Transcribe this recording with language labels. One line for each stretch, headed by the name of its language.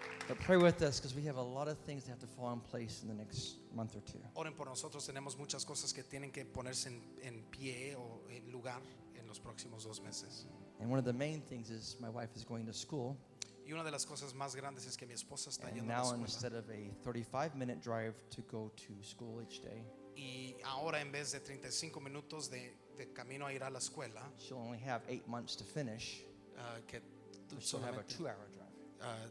English: But pray with us because we have a lot of things that have to fall in place in the next month or two.
Spanish: Oren por nosotros, tenemos muchas cosas que tienen que ponerse en pie o en lugar en los próximos dos meses.
English: And one of the main things is my wife is going to school.
Spanish: Y una de las cosas más grandes es que mi esposa está
English: and
Spanish: yendo
English: now
Spanish: a la escuela.
English: Instead of a 35-minute drive to go to school each day,
Spanish: y ahora en vez de 35 minutos de camino a ir a la escuela,
English: she'll only have 8 months to finish.
Spanish: Que
English: she'll have a 2-hour drive.